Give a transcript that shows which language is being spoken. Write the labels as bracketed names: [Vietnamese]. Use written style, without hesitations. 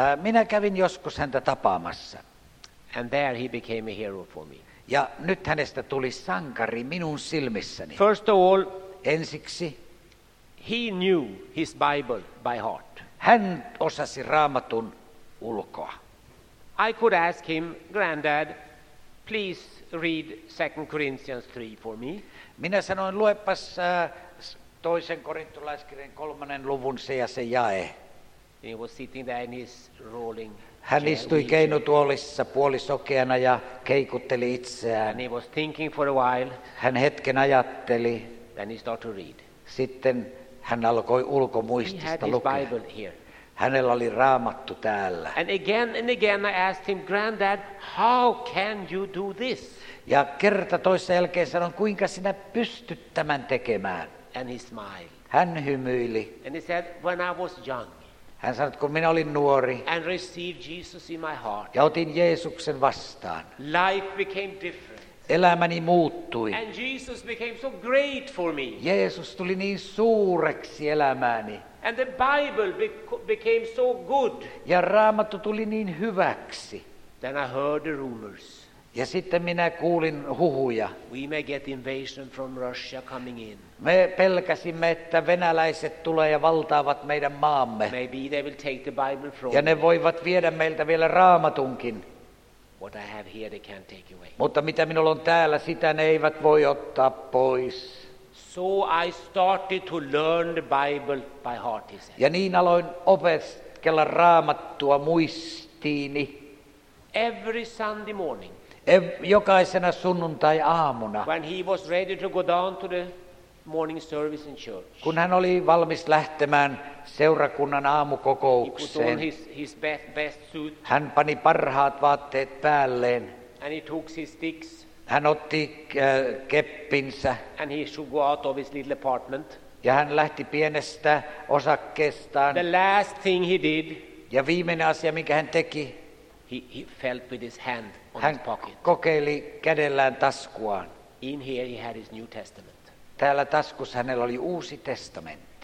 [Finnish] Minä kävin joskus häntä tapaamassa. [English] And there he became a hero for me. [Finnish] Ja nyt hänestä tuli sankari minun silmissäni. [English] First of all, [Finnish] ensiksi [English] he knew his Bible by heart. [Finnish] Hän osasi Raamatun ulkoa. [English] I could ask him, granddad, please read 2 Corinthians 3 for me. [Finnish] Minä sanoin, luepas toisen korintolaiskirjan 3. luvun se ja se jae. [English] He was sitting there in his rolling. [Finnish] Hän istui keinutuolissa puolisokeana ja keikutteli itseään. [English] And he was thinking for a while. [Finnish] Hän hetken ajatteli. [English] Then he started to read. [Finnish] Sitten hän alkoi ulkomuistista lukea. [English] He had his Bible here. [Finnish] Hänellä oli Raamattu täällä. [English] And again I asked him, granddad, how can you do this? [Finnish] Ja kerta toisen jälkeen sanon, kuinka sinä pystyt tämän tekemään? [English] And he smiled. [Finnish] Hän hymyili. [English] And he said, when I was young. [Finnish] Hän sanoi, kun minä olin nuori. [English] And received Jesus in my heart. [Finnish] Ja otin Jeesuksen vastaan. [English] Life became different. [Finnish] Elämäni muuttui. [English] And Jesus became so great for me. [Finnish] Jeesus tuli niin suureksi elämääni. [English] And the Bible became so good. [Finnish] Ja Raamattu tuli niin hyväksi. [English] Then I heard the rumors. [Finnish] Ja sitten minä kuulin huhuja. [English] We may get invasion from Russia coming in. [Finnish] Me pelkäsimme, että venäläiset tulee ja valtaavat meidän maamme. [English] Maybe they will take the Bible from. [Finnish] Ja ne voivat viedä meiltä vielä Raamatunkin. [English] What I have here, they can't take away. [Finnish] Mutta mitä minulla on täällä, sitä ne eivät voi ottaa pois. [English] So I started to learn the Bible by heart. [Finnish] Ja niin aloin opetella Raamattua muistiini. [English] Every Sunday morning. [Finnish] Jokaisena sunnuntai aamuna. [English] When he was ready to go down to the morning service in church. [Finnish] Kun hän oli valmis lähtemään seurakunnan aamukokoukseen. [English] He put on his best suit. [Finnish] Hän pani parhaat vaatteet päälleen. [English] And he took his sticks. [Finnish] Hän otti keppinsä. [English] And he should go out of his little apartment. [Finnish] Ja hän lähti pienestä osakkeestaan. [English] The last thing he did. [Finnish] Ja viimeinen asia, minkä hän teki. [English] He felt with his hand on [Finnish] hän [English] his pocket. [Finnish] Hän kokeili kädellään taskuaan. [English] In here he had his New Testament. [Finnish] Täällä taskussa hänellä oli uusi testamentti.